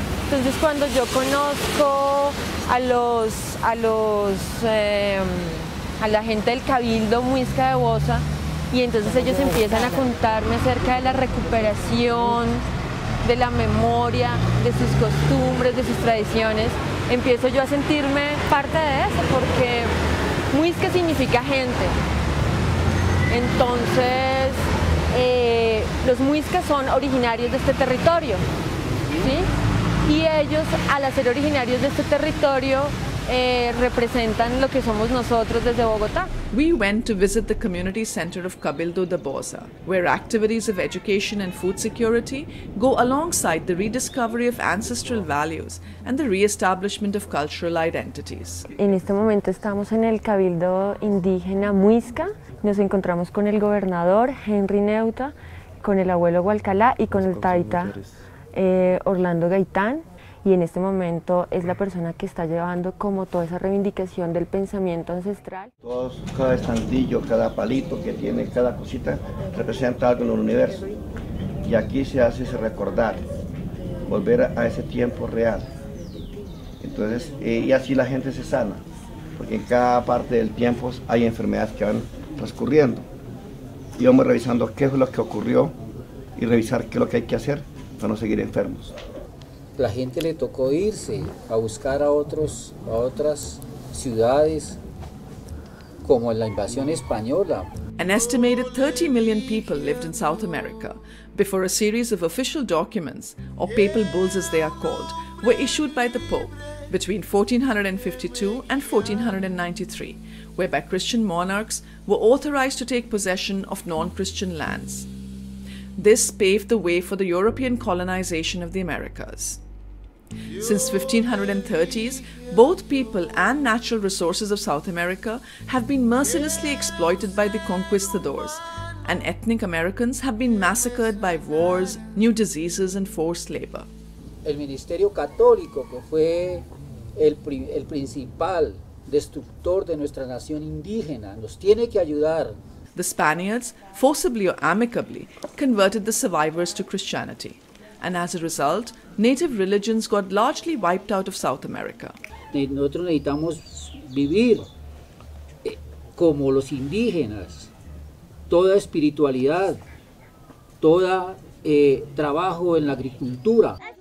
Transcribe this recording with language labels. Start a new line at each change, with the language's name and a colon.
Spanish: Entonces, cuando yo conozco a la gente del Cabildo Muisca de Bosa, y entonces ellos empiezan a contarme acerca de la recuperación de la memoria, de sus costumbres, de sus tradiciones, empiezo yo a sentirme parte de eso, porque muisca significa gente. Entonces, los muiscas son originarios de este territorio, ¿sí? Y ellos, al ser originarios de este territorio, representan lo que somos nosotros desde Bogotá.
English: We went to visit the community center of Cabildo de Bosa, where activities of education and food security go alongside the rediscovery of ancestral values and the re-establishment of cultural identities.
Spanish: En este momento estamos en el Cabildo indígena Muisca. Nos encontramos con el gobernador Henry Neuta, con el abuelo Gualcalá y con el taita Orlando Gaitán. Y en este momento es la persona que está llevando como toda esa reivindicación del pensamiento ancestral. Todos, cada estandillo, cada palito que tiene, cada cosita, representa algo en el universo. Y aquí se hace ese recordar, volver a ese tiempo real. Entonces, y así la gente se sana, porque en cada parte del tiempo hay enfermedades que van transcurriendo. Y vamos revisando qué fue lo que ocurrió y revisar qué es lo que hay que hacer para no seguir enfermos. La gente le tocó irse a buscar a otras ciudades, como la invasión española.
English: An estimated 30 million people lived in South America before a series of official documents, or papal bulls as they are called, were issued by the Pope between 1452 and 1493, whereby Christian monarchs were authorized to take possession of non-Christian lands. This paved the way for the European colonization of the Americas. Since 1530s, both people and natural resources of South America have been mercilessly exploited by the conquistadors, and ethnic Americans have been massacred by wars, new diseases and forced labor.
Spanish: El Ministerio Católico, que fue el principal destructor de nuestra nación indígena, nos tiene que ayudar.
English: The Spaniards, forcibly or amicably, converted the survivors to Christianity. And as a result, native religions got largely wiped out of South America.
Spanish: Nosotros necesitamos vivir como los indígenas, toda espiritualidad, toda trabajo en la agricultura.